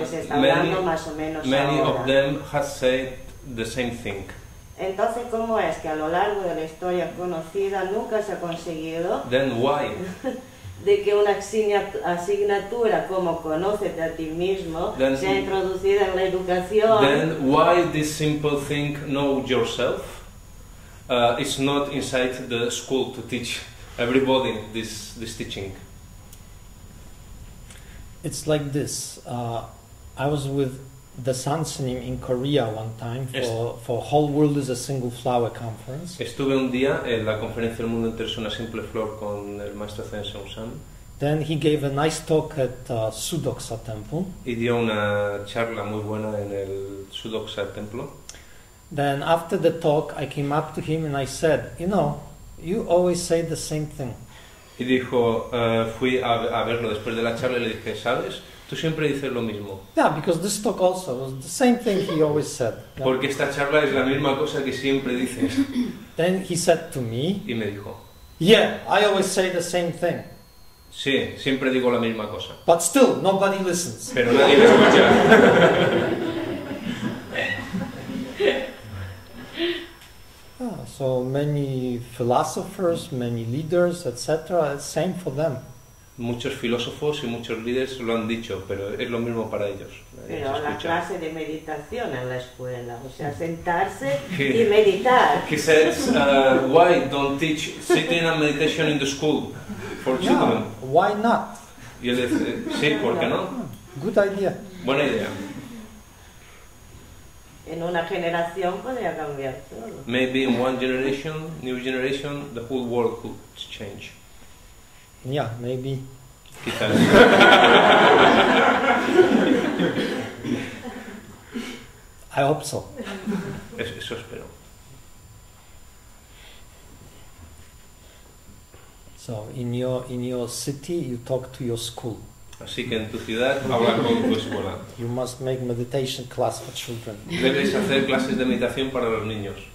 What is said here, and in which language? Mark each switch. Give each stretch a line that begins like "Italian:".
Spanish: que se está hablando más o menos
English: many
Spanish: ahora.
English: Of them have said the same thing.
Spanish: Entonces, ¿cómo es que a lo largo de la historia conocida nunca se ha conseguido
English: then why?
Spanish: De que una asignatura como Conócete a ti mismo
English: then,
Spanish: sea introducida en la educación?
English: Then why this simple thing, Know Yourself, is not inside the school to teach everybody this teaching? It's like this. I was with the Bong Sunim in Korea one time for Whole World is a Single Flower conference.
Spanish: Estuve un día en la conferencia del mundo entero es una simple flor con el maestro Zen Sung San.
English: Then he gave a nice talk at Sudoksa Temple.
Spanish: Y dio una charla muy buena en el Sudoksa Templo.
English: Then after the talk, I came up to him and I said, you know, You always say the same thing.
Spanish: Y dijo, fui a verlo después de la charla y le dije, ¿sabes? Tú siempre dices lo mismo.
English: Yeah, because this talk also was the same thing he always said. Yeah.
Spanish: Porque esta charla es la misma cosa que siempre dices.
English: Then he said to me.
Spanish: Y me dijo.
English: Yeah, I always say the same thing.
Spanish: Sí, siempre digo la misma cosa.
English: But still, nobody listens.
Spanish: Pero nadie me escucha.
English: So many philosophers, many leaders, etc. Same for them.
Spanish: Muchos filósofos y muchos líderes lo han dicho, pero es lo mismo para ellos. Pero la clase de meditación en la escuela, o sea, sentarse y meditar.
English: He says, why don't teach sitting and meditation in the school for children? Yeah, why not?
Spanish: Y él dice, sí, ¿por qué no?
English: Good idea.
Spanish: Buena idea. En una generación podría cambiar todo.
English: Maybe in one generation, new generation, the whole world could change. Yeah, maybe.
Spanish: Quizás.
English: I hope so.
Spanish: Eso espero.
English: So, in your city, you talk to your school.
Spanish: Así que en tu ciudad habla con tu escuela.
English: You must make meditation class for children.
Spanish: Debes hacer clases de meditación para los niños.